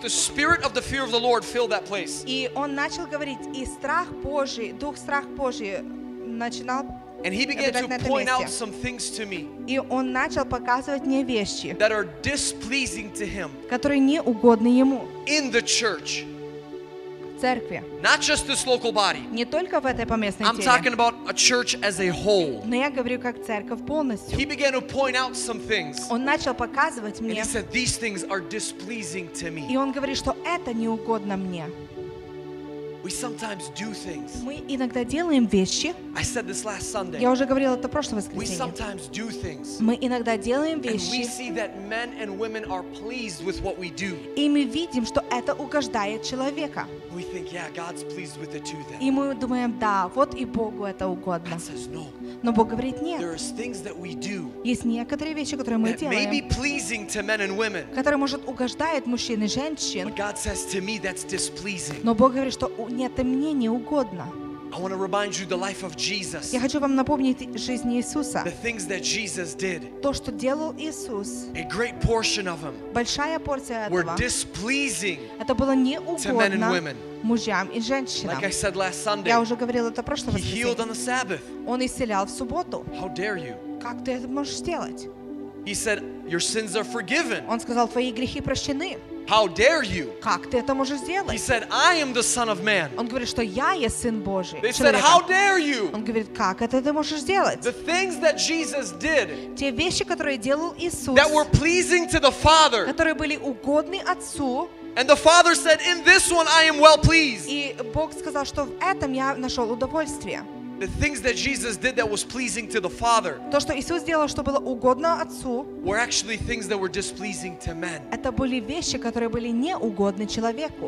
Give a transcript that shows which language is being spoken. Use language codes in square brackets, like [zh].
[en] The spirit of the fear of the Lord filled that place. [ru] И он начал говорить, и страх Божий, дух страх Божий начинал. [en] And He began to point out some things to me. [ru] И он начал показывать мне вещи. [en] That are displeasing to Him. [ru] Которые не угодны ему. [en] In the church. Not just this local body. [ru] Не только в этой поместной теле. [en] I'm talking about a church as a whole. [ru] Но я говорю как церковь полностью. [en] He began to point out some things. [ru] Он начал показывать мне. [en] And he said these things are displeasing to me. [ru] И он говорит, что это не угодно мне. [en] We sometimes do things. [ru] Мы иногда делаем вещи. [en] I said this last Sunday. [ru] Я уже говорил это прошлое воскресенье. [en] We sometimes do things. [ru] Мы иногда делаем вещи. [en] And we see that men and women are pleased with what we do. [ru] И мы видим, что это угождает человека. [en] We think, yeah, God's pleased with it too. Then. [ru] И мы думаем, да, вот и Богу это угодно. [en] God says no. [ru] Но Бог говорит нет. [en] There are things that we do. [ru] Есть некоторые вещи, которые мы делаем. [en] May be pleasing to men and women. [ru] Которые может угождает мужчин и женщин. [en] But God says to me that's displeasing. [ru] Но Бог говорит, что нет, это мне не угодно. [en] I want to remind you the life of Jesus. [ru] Я хочу вам напомнить жизнь Иисуса. [en] The things that Jesus did. [ru] То, что делал Иисус. [en] A great portion of him. [ru] Большая порция этого. [en] Were displeasing. [ru] Это было не угодно мужьям и женщинам. [en] Like I said last Sunday. [ru] Я уже говорил это прошлое воскресенье. [en] He healed on the Sabbath. [ru] Он исцелял в субботу. [en] How dare you? [ru] Как ты это можешь сделать? [en] He said, "Your sins are forgiven." [ru] Он сказал, твои грехи прощены. [en] How dare you? [ru] Как ты это можешь сделать? [en] He said, "I am the Son of Man." [ru] Он говорит, что я есть сын Божий. [en] They said, "How dare you?" [ru] Он говорит, как это ты можешь сделать? [en] The things that Jesus did. [ru] Те вещи, которые делал Иисус. [en] That were pleasing to the Father. [ru] Которые были угодны Отцу. [en] And the Father said, "In this one I am well pleased." [ru] И Бог сказал, что в этом я нашел удовольствие. [en] The things that Jesus did that was pleasing to the Father. [ru] То, что Иисус сделал, что было угодно Отцу. [en] Were actually things that were displeasing to men. [ru] Это были вещи, которые были неугодны человеку.